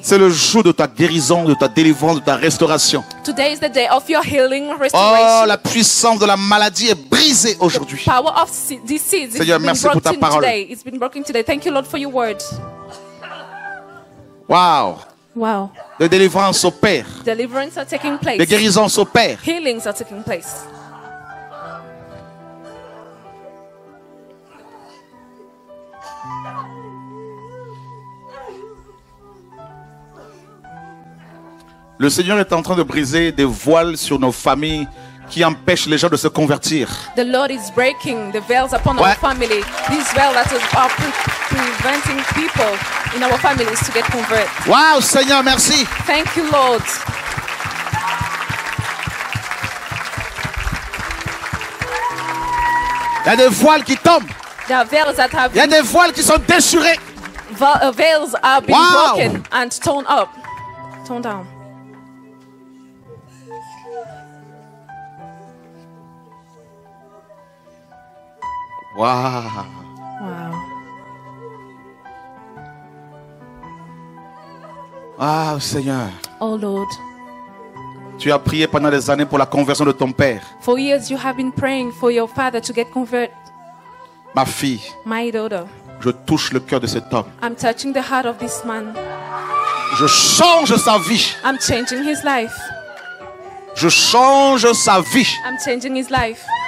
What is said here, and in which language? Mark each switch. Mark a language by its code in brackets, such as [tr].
[fr] c'est le jour de ta guérison, de ta délivrance, de ta restauration. [en] Today is the day of your healing, restoration. [fr] Oh, la puissance de la maladie est brisée aujourd'hui. [en] The power of disease, [fr] Seigneur, merci pour ta parole. [en] Today. It's been broken today. Thank you, Lord, for your word. Wow. Wow. [fr] De délivrance au Père. [en] Deliverance are taking place. [fr] De guérison au Père. [en] Healings are taking place. [fr] Le Seigneur est en train de briser des voiles sur nos familles qui empêchent les gens de se convertir. [en] The Lord is breaking the veils upon ouais. Our family. These veils that are preventing people in our families to get converted. [fr] Wow, Seigneur, merci. [en] Thank you, Lord. [fr] Il y a des voiles qui tombent. [en] There are veils that have [fr] il y a des voiles qui sont déchirées. [en] Veils are being wow. Broken and torn up. Torn down. Wow. Wow. [fr] Oh, Seigneur. [en] Oh Lord. [fr] Tu as prié pendant des années pour la conversion de ton père. [en] For years you have been praying for your father to get converted. [fr] Ma fille. [en] My daughter. [fr] Je touche le cœur de cet homme. [en] I'm touching the heart of this man. [fr] Je change sa vie. [en] I'm changing his life. [fr] Je change sa vie. [en] I'm changing his life.